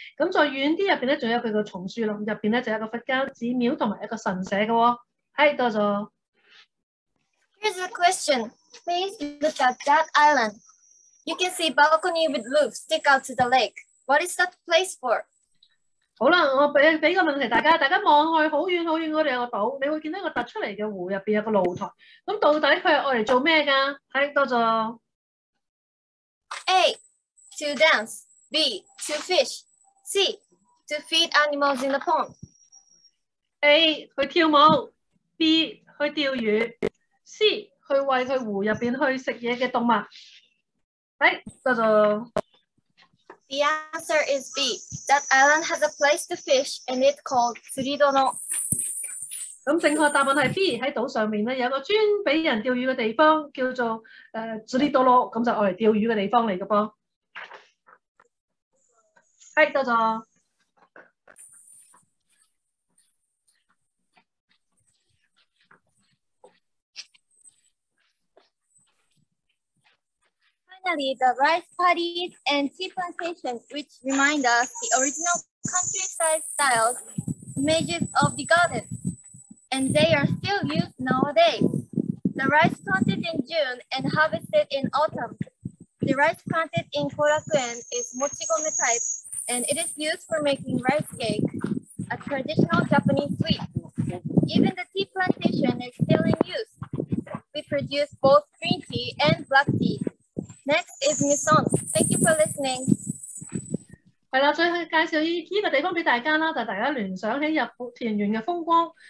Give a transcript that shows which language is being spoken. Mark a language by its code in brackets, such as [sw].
[yue] 咁再远啲入边咧，仲有佢个松树林，入边咧就有一个佛教寺庙同埋一个神社嘅。系，多咗。 [en] Here's a question. Please look at that island. You can see balcony with roof stick out to the lake. What is that place for? [yue] 好啦，我俾个问题大家，大家望去好远好远嗰度有个岛，你会见到一个突出嚟嘅湖入边有个露台，咁到底佢系爱嚟做咩噶？系多咗。 [en] A. To dance. B. To fish. C. To feed animals in the pond. [yue] A. 去跳舞。B. 去钓鱼。C. 去喂佢湖入边去食嘢嘅动物。系多咗。 [en] The answer is B. That island has a place to fish, and it's called Tsuridono. [yue] 咁正確答案係 B. 喺島上面咧有個專俾人釣魚嘅地方，叫做Tsuridono， 咁就愛嚟釣魚嘅地方嚟嘅噃。係，多謝。 [en] Finally, the rice paddies and tea plantations, which remind us the original countryside styles, images of the garden, and they are still used nowadays. The rice planted in June and harvested in autumn. The rice planted in Korakuen is mochigome type, and it is used for making rice cake, a traditional Japanese sweet. Even the tea plantation is still in use. We produce both green tea and black tea. Next is Miss Song. Thank you for listening. [yue] 係啦，再去介紹依個地方俾大家啦，就大家聯想起日本田園嘅風光。